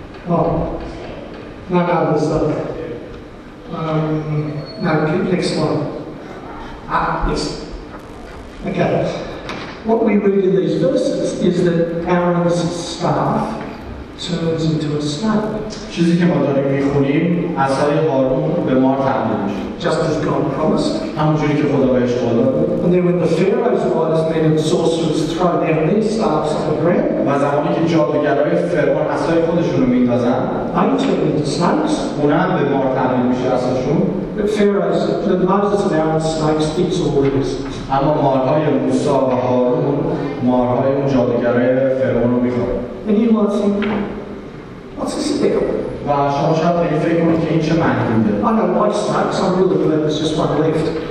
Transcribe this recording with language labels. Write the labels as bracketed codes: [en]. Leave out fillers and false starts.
[en] Oh. No, no, there's a... next one. Yes. Okay. What we read in these verses is that Aaron's staff turns into a snake. [fa] چیزی که ما داریم میخونیم عصای هارون به مار تبدیل میشه. [en] Just as God promised. [fa] همونجوری که خدا بهش وعده داد. [en] And then when the Pharaoh's wise men and sorcerers throw down their staffs on the ground. [fa] و زمانی که جادوگرای فرعون عصای خودشون رو میندازن. [en] They turn into snakes. [fa] اونا هم به مار تبدیل میشه عصاشون. [en] But Pharaoh's, the Moses and Aaron's snakes eat all of this. [fa] اما مارهای موسی و هارون مارهای اون جادوگرای فرعون رو میخورن. [en] And you might think, what's this deal? [fa] و شما شاید به این فکر کنید که این چه معنی میده. [en] I don't like snakes, I'm really glad there's just one left.